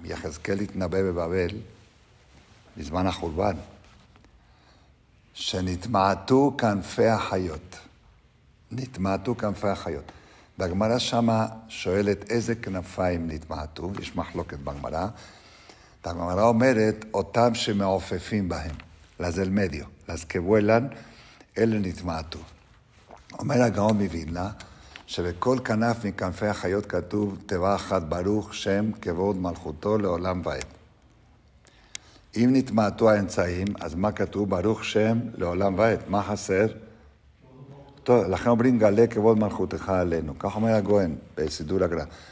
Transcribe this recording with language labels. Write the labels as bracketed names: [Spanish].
[Hebrew] יחזקאל התנבא בבבל, בזמן החורבן, שנתמעטו כנפי החיות. נתמעטו כנפי החיות. והגמרא שמה שואלת איזה כנפיים נתמעטו, יש מחלוקת בגמרא. והגמרא אומרת, אותם שמעופפים בהם. [Spanish] las del medio, las que vuelan, el nitmatu. [Hebrew] אומר הגאון מוילנה, שבכל כנף מכנפי החיות כתוב, תיבה אחת, ברוך שם, כבוד מלכותו לעולם ועד. אם נתמעטו האמצעים, אז מה כתוב? ברוך שם לעולם ועד. מה חסר? טוב, לכן אומרים, גלה כבוד מלכותך עלינו. כך אומר הגוהן בסידור הגרא.